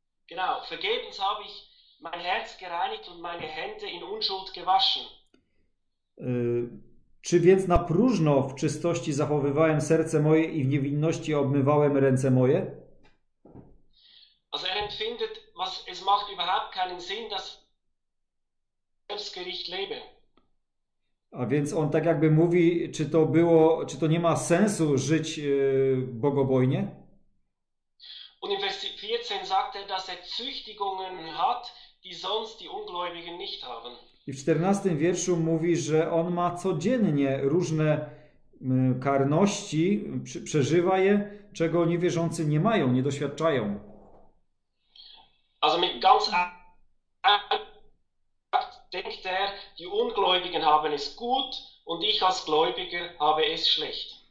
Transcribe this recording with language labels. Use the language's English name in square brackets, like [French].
[German] Genau, vergebens habe ich mein Herz gereinigt und meine Hände in Unschuld gewaschen. [Polish] Czy więc na próżno w czystości zachowywałem serce moje i w niewinności obmywałem ręce moje? [German] Also er empfindet, was es macht überhaupt keinen Sinn, dass Selbstgericht lebe. [Polish] A więc on tak jakby mówi, czy to było, czy to nie ma sensu żyć bogobojnie? [German] Und in Vers 14 sagt er, dass er Züchtigungen hat, die sonst die Ungläubigen nicht haben. [Polish] I w 14 wierszu mówi, że on ma codziennie różne karności, przeżywa je, czego niewierzący nie mają, nie doświadczają. [German] Also mit ganz denkt er, die Ungläubigen haben es gut und ich als Gläubiger habe es schlecht.